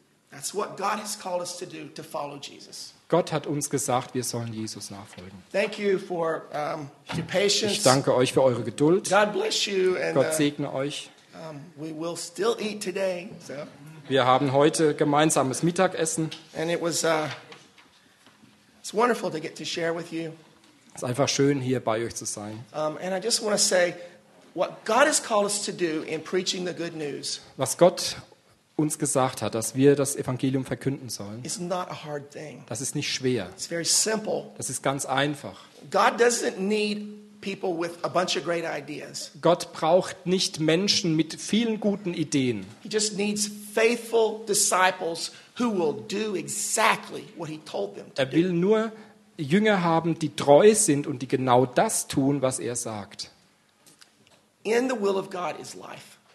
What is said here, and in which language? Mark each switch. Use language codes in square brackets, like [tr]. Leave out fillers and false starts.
[de] Das ist, was Gott uns gesagt hat, um Jesus zu folgen. Gott hat uns gesagt, wir sollen Jesus nachfolgen. [en] Thank you for your patience. [de] Ich danke euch für eure Geduld. [en] God bless you and, [de] Gott segne euch. [en] We will still eat today, so. [de] Wir haben heute gemeinsames Mittagessen. [en] And it was it's wonderful to get to share with you. [de] Es ist einfach schön, hier bei euch zu sein. [en] And I just want to say, what God has called us to do in preaching the good news. [de] Was Gott uns gesagt hat, dass wir das Evangelium verkünden sollen. [en] It's not a hard thing. [de] Das ist nicht schwer. [en] It's very simple. [de] Das ist ganz einfach. [en] God doesn't need people with a bunch of great ideas. [de] Gott braucht nicht Menschen mit vielen guten Ideen. [en] He just needs faithful disciples who will do exactly what he told them to [de] do. Er will nur Jünger haben, die treu sind und die genau das tun, was er sagt. [en] In the will of God is life.